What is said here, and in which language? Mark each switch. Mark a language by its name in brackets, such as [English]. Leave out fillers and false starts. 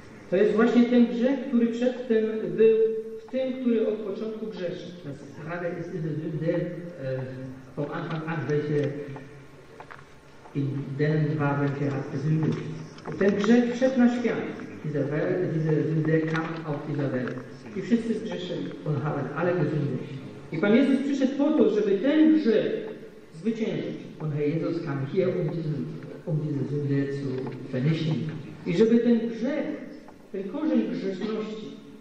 [Polish] To jest właśnie ten grzech, który przedtem był w tym, który od początku grzeszy. [German] Das ist gerade diese Sünde vom Anfang an, welche in denen war, welche hat gesündigt. [Polish] Ten grzech wszedł na świat. [German] Diese Sünde kam auf dieser Welt. [Polish] I wszyscy zgrzeszyli. [German] Und haben alle gesündigt. [Polish] I Pan Jezus przyszedł po to, żeby ten grzech zwyciężyć. [German] Und Herr Jesus kam hier, diese Sünde zu vernichten. [Polish] I żeby ten grzech, ten korzeń grzeszności,